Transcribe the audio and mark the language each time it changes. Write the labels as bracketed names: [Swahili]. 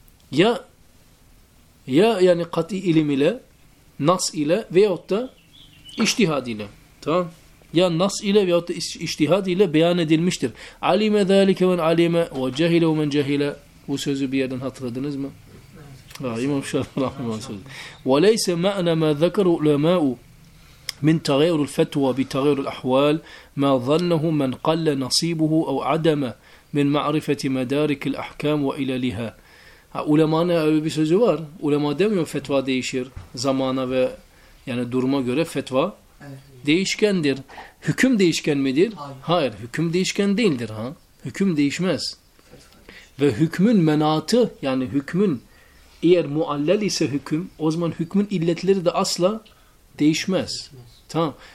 [Turkish] Ya yani kat'i ilim ile, nas ile veyahut da içtihad ile. Tamam? Ya nas ile veyahut da içtihad ile beyan edilmiştir. [Arabic] Alime zalike men alime ve cehile men cehile. [Turkish] Bu sözü bir yerden hatırladınız mı? Evet. İmam Şafii rahimehullah sözü. [Arabic] Ve leyse ma'na ma zekeru ulema'u من تغير الفتوى بتغير الأحوال ما ظنه من قل نصيبه أو عدم من معرفة مدارك الأحكام وإلى لها. [Turkish] Ha, ulemanın öyle bir sözü var. Ulema demiyor fetva değişir. Zamana ve yani duruma göre fetva değişkendir. Hüküm değişken midir? Hayır. Hüküm değişken değildir. Ha. Hüküm değişmez. Ve hükmün menatı, yani hükmün eğer muallel ise hüküm, o zaman hükmün illetleri de asla değişmez. Tamam.